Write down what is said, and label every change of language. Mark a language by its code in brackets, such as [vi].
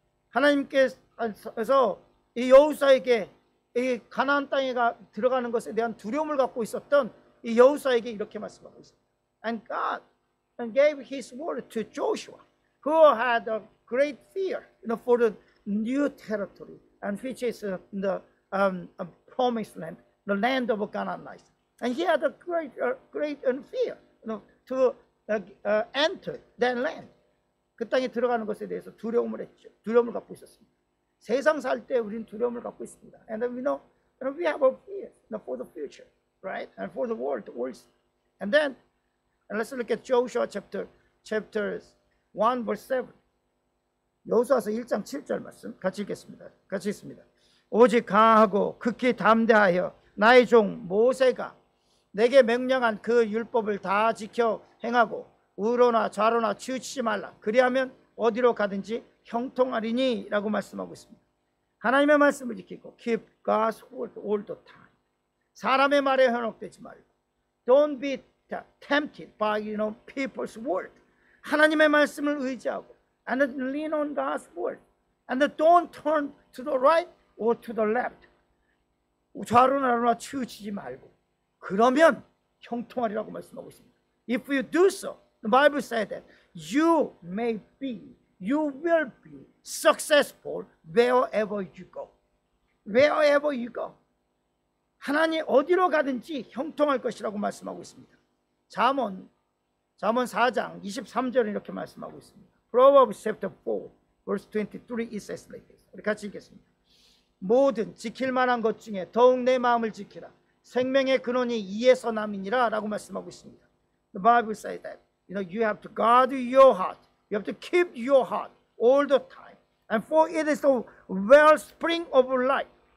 [ko] 하나님께서 이 여호수아에게 이 가나안 땅에 들어가는 것에 대한 두려움을 갖고 있었던 이 여호수아에게 이렇게 말씀하고 있습니다. [en] And God gave His word to Joshua, who had a great fear, for the new territory, and which is the promised land, the land of Canaanites. And he had a great fear, to enter that land. [ko] 그 땅에 들어가는 것에 대해서 두려움을 갖고 있었습니다. 세상 살 때 우리는 두려움을 갖고 있습니다. [en] And then we know, you know, we have a fear for the future, right? And for the world, the world. And then, and let's look at Joshua chapter 1 verse 7. [ko] 여호수아서 1장 7절 말씀 같이 읽겠습니다. 같이 읽습니다. 오직 강하고 극히 담대하여 나의 종 모세가 내게 명령한 그 율법을 다 지켜 행하고 우로나 좌로나 치우치지 말라. 그리하면 어디로 가든지 형통하리니 라고 말씀하고 있습니다. 하나님의 말씀을 지키고 [en] keep God's word all the time. [ko] 사람의 말에 현혹되지 말고 [en] don't be tempted by you know, people's word. [ko] 하나님의 말씀을 의지하고 [en] and then lean on God's word. And then don't turn to the right or to the left. [ko] 좌로나로나 치우치지 말고 그러면 형통하리라고 말씀하고 있습니다. [en] If you do so, the Bible said that you may be, you will be successful wherever you go. Wherever you go. [ko] 하나님 어디로 가든지 형통할 것이라고 말씀하고 있습니다. 잠언 4장 23절은 이렇게 말씀하고 있습니다. [en] Proverbs chapter 4, verse 23, it says like this. [ko] 우리 같이 읽겠습니다. 모든 지킬 만한 것 중에 더욱 내 마음을 지키라. 생명의 근원이 이에서 남이니라 라고 말씀하고 있습니다. [en] The Bible says that you know you have to guard your heart. You have to keep your heart all the time. And for it is the wellspring of life.